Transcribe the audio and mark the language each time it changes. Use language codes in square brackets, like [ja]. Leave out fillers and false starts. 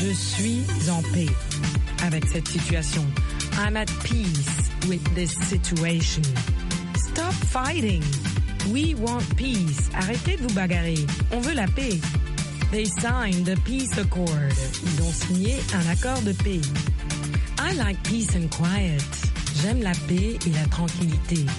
[fr] Je suis en paix avec cette situation. [en] I'm at peace with this situation. Stop fighting. We want peace. [fr] Arrêtez de vous bagarrer. On veut la paix. [en] They signed the peace accord. [fr] Ils ont signé un accord de paix. [en] I like peace and quiet. [fr] J'aime la paix et la tranquillité.